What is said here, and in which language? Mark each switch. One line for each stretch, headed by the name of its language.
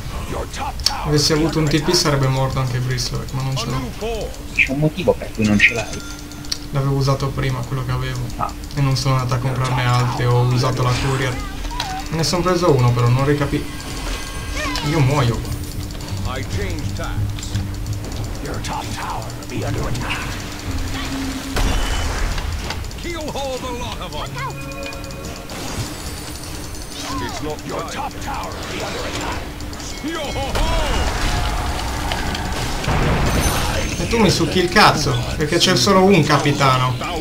English: Your top tower.
Italian: Avessi avuto un TP sarebbe morto anche Bristleback, ma non ce l'ho. C'è un motivo per cui non ce l'hai. L'avevo usato prima, quello che avevo. Ah. E non sono andato a comprarne altri, ho usato la courier. Ne sono preso uno però, non ricapi... Io muoio qua.
English: I change tacks. Your top tower be under attack. Keel haul the lot of them. Look out! It's not your right. Top tower be under attack. Yo ho ho!
Italian: E tu mi succhi il cazzo, perché c'è solo un capitano.